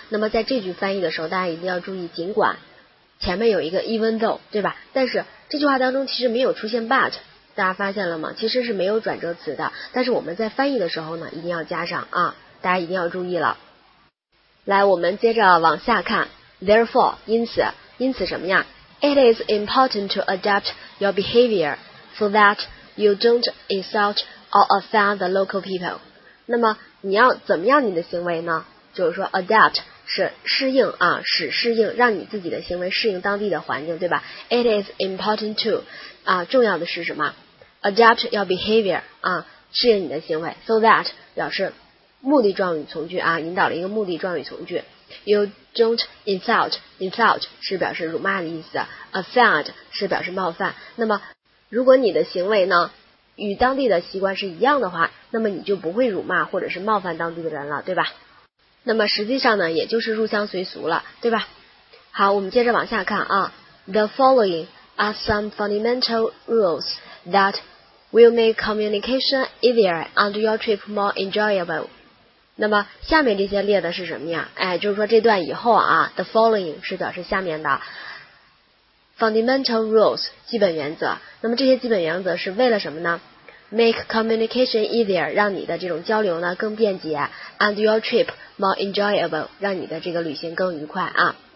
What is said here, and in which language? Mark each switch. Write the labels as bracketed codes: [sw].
[zh] 那么在这句翻译的时候，大家一定要注意，尽管前面有一个 even though， 对吧？但是这句话当中其实没有出现 but，大家发现了吗？其实是没有转折词的，但是我们在翻译的时候呢一定要加上啊，大家一定要注意了。来，我们接着往下看。Therefore 因此什么呀？ [en] It is important to adapt your behavior so that you don't insult or offend the local people。 [zh] 那么你要怎么样你的行为呢？就是说 adapt 是适应啊，使适应，让你自己的行为适应当地的环境，对吧？ [en] It is important to [zh] 啊，重要的是什么？ [en] adapt your behavior [zh] 啊，适应你的行为。 so that 表示目的状语从句啊，引导了一个目的状语从句。 [en] you don't insult [zh] 是表示辱骂的意思， offend 是表示冒犯。那么如果你的行为呢与当地的习惯是一样的话，那么你就不会辱骂或者是冒犯当地的人了，对吧？那么实际上呢也就是入乡随俗了，对吧？好，我们接着往下看啊。 [en] The following are some fundamental rules that will make communication easier and your trip more enjoyable。 [zh] 那么下面这些列的是什么呀？哎，就是说这段以后啊， The following 是表示下面的 fundamental rules 基本原则。那么这些基本原则是为了什么呢？ [en] make communication easier, [zh] 让你的这种交流呢更便捷 [en] and your trip more enjoyable, [zh] 让你的这个旅行更愉快啊。